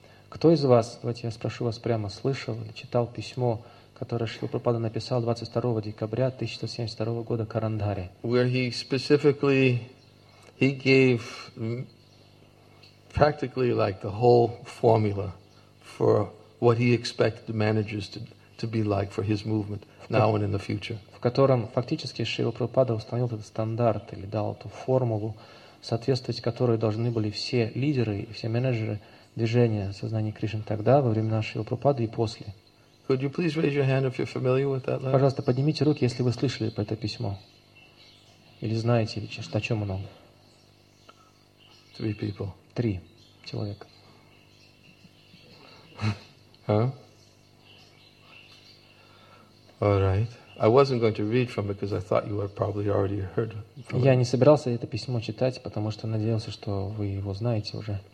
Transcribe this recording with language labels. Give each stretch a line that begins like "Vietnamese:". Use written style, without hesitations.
Russian: Кто из вас, давайте я спрошу вас прямо, слышал или читал письмо, которое Шрила Прабхупада написал 22 декабря 1972 года Карандаре?
English: Where he specifically, he gave practically like the whole formula for what he expected the managers to be like for his movement now and in the future.
Russian: В котором фактически Шрила Прабхупада установил этот стандарт или дал эту формулу, соответствовать которой должны были все лидеры и все менеджеры движения сознания Кришны тогда, во времена Шрилы Прабхупады и после.
English: Could you please raise your hand if you're familiar with that letter?
Russian: Пожалуйста, поднимите руки, если вы слышали про это письмо. Или знаете, или о чем оно.
English: Three people.
Russian: Три человека.
English: Huh? All right. I wasn't going to read from it because I thought you had probably already heard from it.
Russian: Я не собирался это письмо читать, потому что надеялся, что вы его знаете уже.